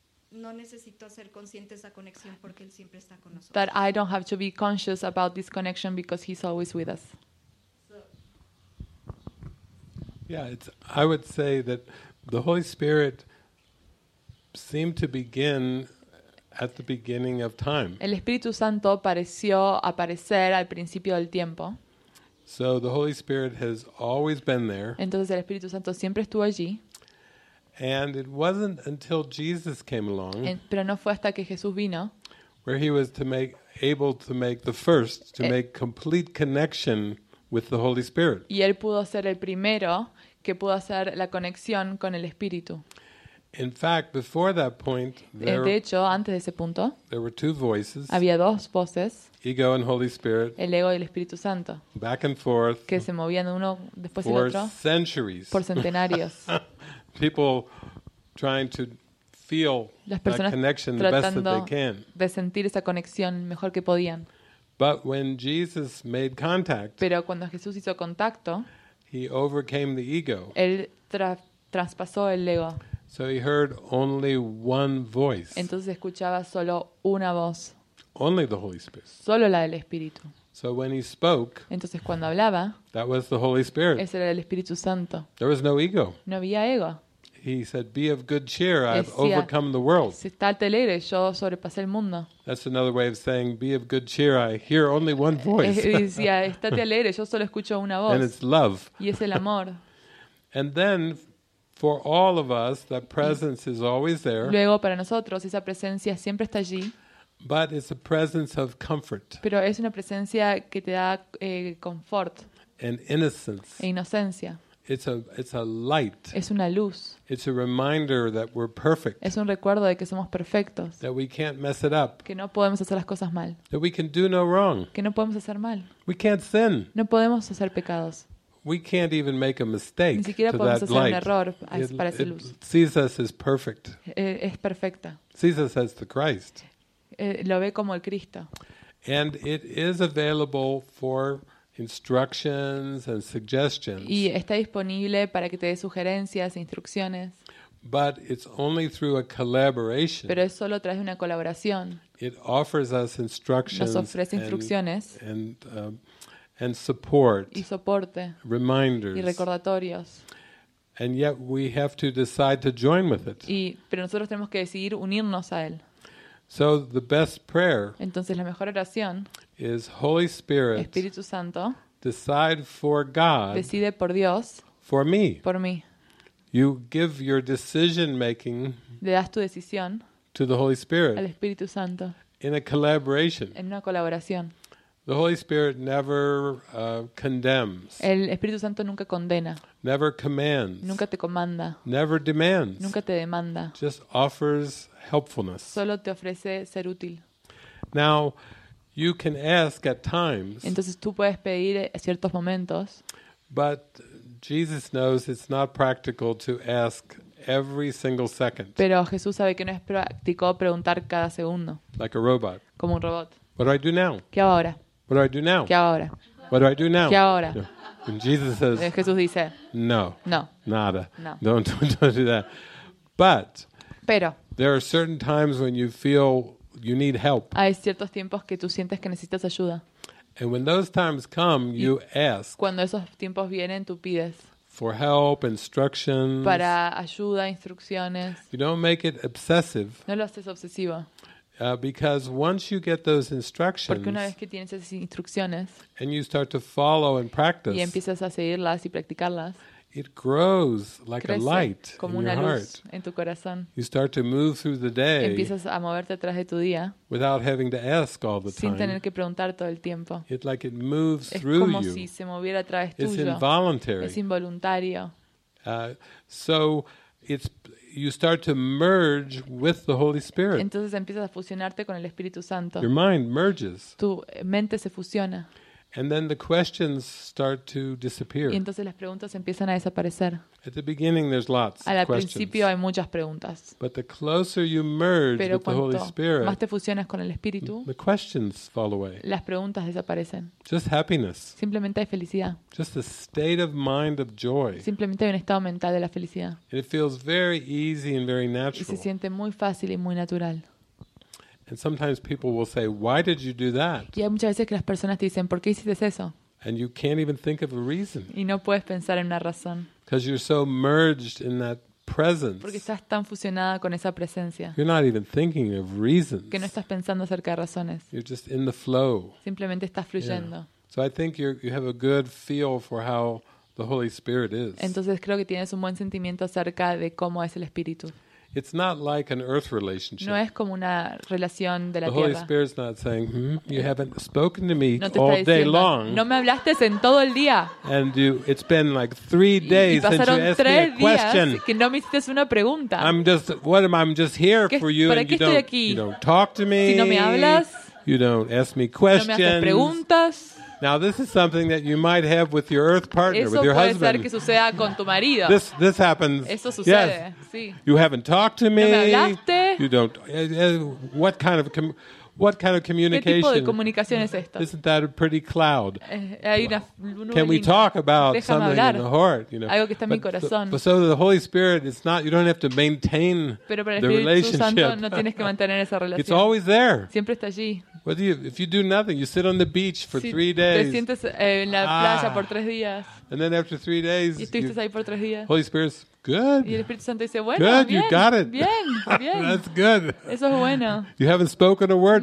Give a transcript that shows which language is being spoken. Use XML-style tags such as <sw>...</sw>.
<es>No necesito hacer consciente esa conexión porque él siempre está con nosotros.</es> <en>That I don't have to be conscious about this connection because he's always with us. So. Yeah, I would say that the Holy Spirit seemed to begin at the beginning of time.</en> <es>El Espíritu Santo pareció aparecer al principio del tiempo.</es> <en>So the Holy Spirit has always been there.</en> <es>Entonces el Espíritu Santo siempre estuvo allí.</es> <en>And it wasn't until Jesus came along.</en> <es>Pero no fue hasta que Jesús vino.</es> <en>Where he was able to make complete connection with the Holy Spirit.</en> <es>Y él pudo ser el primero que pudo hacer la conexión con el Espíritu.</es> <en>In fact, before that point, there were two voices.</en> <es>Había dos voces.</es> <en>Ego and Holy Spirit.</en> <es>El ego y el Espíritu Santo.</es> <en>Back and forth.</en> <es>Que se movían uno después del otro.</es> <en>For centuries.</en> <es>Por centenarios.</es> <en>People trying to feel that connection the best that they can.</en> <es>De sentir esa conexión mejor que podían.</es> <en>But when Jesus made contact,</en> <es>pero cuando Jesús hizo contacto,</es> <en>he overcame the ego.</en> <es>Él traspasó el ego.</es> <en>So he heard only one voice.</en> <es>Entonces escuchaba solo una voz.</es> <en>Only the Holy Spirit.</en> <es>Solo la del Espíritu.</es> <en>So when he spoke,</en> <es>entonces cuando hablaba,</es> <en>that was the Holy Spirit.</en> <es>Ese era el Espíritu Santo.</es> <en>There was no ego.</en> <es>No había ego.</es> <en>He said, "Be of good cheer. I've overcome the world."</en> <es>Estate alegre, yo sobrepasé el mundo.</es> <en>That's another way of saying, "Be of good cheer. I hear only one voice."</en> <es>Decía, estate alegre, yo solo escucho una voz.</es> <en>And it's love.</en> <es>Y es el amor.</es> <en>And then, for all of us, that presence is always there.</en> <es>Luego para nosotros esa presencia siempre está allí.</es> <en>But it's a presence of comfort.</en> <es>Pero es una presencia que te da confort.</es> <en>And innocence.</en> <es>E inocencia.</es> <en>It's a light.</en> <es>Es una luz.</es> <en>It's a reminder that we're perfect.</en> <es>Es un recuerdo de que somos perfectos.</es> <en>That we can't mess it up.</en> <es>Que no podemos hacer las cosas mal.</es> <en>That we can do no wrong.</en> <es>Que no podemos hacer mal.</es> <en>We can't sin.</en> <es>No podemos hacer pecados.</es> <en>We can't even make a mistake.</en> <es>Ni siquiera podemos hacer</es> <en>light.</en> <es>Un error para esa luz.</es> <en>It sees us as perfect.</en> <es>Es perfecta.</es> <en>Sees us as the Christ.</en> <es>Lo ve como el Cristo.</es> <en>And it is available for instructions and suggestions.</en> <es>Y está disponible para que te dé sugerencias e instrucciones.</es> <en>But it's only through a collaboration.</en> <es>Pero es solo a través de una colaboración.</es> <en>It offers us instructions.</en> <es>Nos ofrece instrucciones.</es> <en>And support.</en> <es>Y soporte.</es> <en>Reminders.</en> <es>Y recordatorios.</es> <en>And yet we have to decide to join with it.</en> <es>Y pero nosotros tenemos que decidir unirnos a él.</es> <en>So the best prayer.</en> <es>Entonces la mejor oración.</es> <en>Is Holy Spirit.</en> <es>Espíritu Santo.</es> <en>Decide for God.</en> <es>Decide por Dios.</es> <en>For me.</en> <es>Por mí.</es> <en>You give your decision making.</en> <es>Le das tu decisión.</es> <en>To the Holy Spirit.</en> <es>Al Espíritu Santo.</es> <en>In a collaboration.</en> <es>En una colaboración.</es> <en>The Holy Spirit never condemns.</en> <es>El Espíritu Santo nunca condena.</es> <en>Never commands.</en> <es>Nunca te comanda.</es> <en>Never demands.</en> <es>Nunca te demanda.</es> <en>Just offers helpfulness.</en> <es>Solo te ofrece ser útil.</es> <en>Now, you can ask at times.</en> <es>Entonces tú puedes pedir en ciertos momentos.</es> <en>But Jesus knows it's not practical to ask every single second.</en> <es>Pero Jesús sabe que no es práctico preguntar cada segundo.</es> <en>Like a robot.</en> <es>Como un robot.</es> <en>What do I do now?</en> <es>¿Qué hago ahora?</es> <en>What do I do now?</en> <es>¿Qué hago ahora?</es> <en>What do I do now?</en> <es>¿Qué hago ahora?</es> <en>And Jesus says.</en> <es>Jesús dice.</es> <en>No.</en> <es>No. Nada. No.</es> <en>Don't do that. But.</en> <es>Pero.</es> <en>There are certain times when you feel you need help.</en> <es>Hay ciertos tiempos que tú sientes que necesitas ayuda.</es> <en>And when those times come, you ask.</en> <es>Cuando esos tiempos vienen, tú pides.</es> <en>For help, instructions.</en> <es>Para ayuda, instrucciones.</es> <en>You don't make it obsessive.</en> <es>No lo haces obsesivo.</es> <en>Because once you get those instructions.</en> <es>Porque una vez que tienes esas instrucciones.</es> <en>And you start to follow and practice.</en> <es>Y empiezas a seguirlas y practicarlas.</es> <en>It grows like a light</en> <es>como</es> <en>in</en> <es>una</es> <en>your</en> <es>luz</es> <en>heart.</en> <es>En tu corazón.</es> <en>You start to move through the day.</en> <es>Empiezas a moverte a través de tu día.</es> <en>Without having to ask all the time.</en> <es>Sin tener que preguntar todo el tiempo.</es> <en>It like it moves through you.</en> <es>Es como si se moviera a través tuyo.</es> <en>It's involuntary.</en> <es>Es involuntario.</es> <en>So it's you start to merge with the Holy Spirit.</en> <es>Entonces empiezas a fusionarte con el Espíritu Santo.</es> <en>Your mind merges.</en> <es>Tu mente se fusiona.</es> <en>And then the questions start to disappear.</en> <es>Y entonces las preguntas empiezan a desaparecer.</es> <en>At the beginning, there's lots</en> <es>al</es> <en>of questions.</en> <es>Principio hay muchas preguntas.</es> <en>But the closer you merge</en> <es>pero</es> <en>with the Holy Spirit,</en> <es>más te fusionas con el Espíritu,</es> <en>the questions fall away.</en> <es>Las preguntas desaparecen.</es> <en>Just happiness.</en> <es>Simplemente hay felicidad.</es> <en>Just a state of mind of joy.</en> <es>Simplemente hay un estado mental de la felicidad.</es> <en>And it feels very easy and very natural.</en> <es>Y se siente muy fácil y muy natural.</es> <en>And sometimes people will say, "Why did you do that?"</en> <es>Y hay muchas veces que las personas te dicen, "¿Por qué hiciste eso?"</es> <en>And you can't even think of a reason.</en> <es>Y no puedes pensar en una razón.</es> <en>Because you're so merged in that presence.</en> <es>Porque estás tan fusionada con esa presencia.</es> <en>You're not even thinking of reasons.</en> <es>Que no estás pensando acerca de razones.</es> <en>You're just in the flow.</en> <es>Simplemente estás fluyendo. Yeah.</es> <en>So I think you have a good feel for how the Holy Spirit is.</en> <es>Entonces creo que tienes un buen sentimiento acerca de cómo es el Espíritu.</es> <en>It's not like an earth relationship.</en> <es>No es como una relación de la tierra.</es> <en>The Holy Spirit's not saying, you haven't spoken to me</en> <es>no te</es> <en>all</en> <es>diciendo,</es> <en>day long.</en> <es>No me hablaste en todo el día.</es> <en>And it's been like 3 days since you asked me a question.</en> <es>Que no me hiciste una pregunta.</es> <en>I'm just here for you and you don't talk to me.</en> <es>Si no me hablas.</es> <en>You don't ask me questions.</en> <es>No me haces preguntas.</es> <en>Now this is something that you might have with your earth partner,</en> <es>eso</es> <en>with your</en> <es>puede</es> <en>husband.</en> <es>Ser que suceda con tu marido.</es> <en>This happens.</en> <es>Eso sucede.</es> <en>Yes.</en> <es>Sí.</es> <en>You haven't talked to me.</en> <es>No me hablaste.</es> <en>You don't. What kind of What kind of communication?</en> <es>¿Qué tipo de comunicación es esta?</es> <en>Isn't that a pretty cloud?</en> <es>Hay una,</es> <en>can we talk about something in the heart? You know?</en> <es>Algo que está en mi corazón.</es> <en>So the Holy Spirit, it's not, you don't have to maintain the relationship.</en> <es>Pero para el Espíritu Santo no tienes que mantener esa relación.</es> <en>It's always there.</en> <es>Siempre está allí.</es> <en>Whether you, if you do nothing, you sit on the beach for 3 days.</en> <es>Te sientes en la playa por 3 días.</es> <en>And then after 3 days, you, Holy Spirit, good.</en> <es>Y el Espíritu Santo dice, bueno,</es> <en>good,</en> <es>bien,</es> <en>you got it.</en> <es>Bien, bien.</es> <en>That's good.</en> <es>Eso es bueno.</es> <en>You haven't spoken a word.</en>